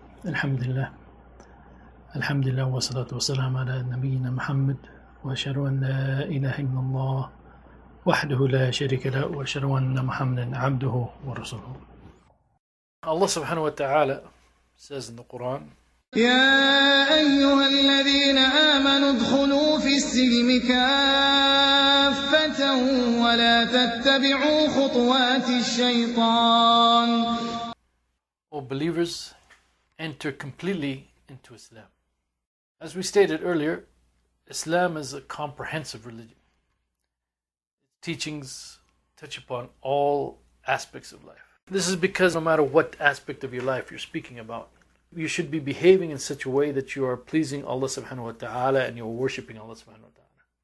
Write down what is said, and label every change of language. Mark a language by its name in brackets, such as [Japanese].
[Arabic] الحمد لله الحمد لله والصلاة والسلام على نبينا محمد، وأشهد أن لا إله إلا الله وحده لا شريك له، وأشهد أن محمدا عبده ورسوله. [English] الله سبحانه وتعالى says in the Quran: [Arabic] يا أيها الذين آمنوا ادخلوا في السلم كافة ولا تتبعوا خطوات الشيطان. [English] O believers, enter completely into Islam. As we stated earlier, Islam is a comprehensive religion. Its teachings touch upon all aspects of life. This is because no matter what aspect of your life you're speaking about, you should be behaving in such a way that you are pleasing Allah subhanahu wa ta'ala and you're worshipping Allah subhanahu wa ta'ala.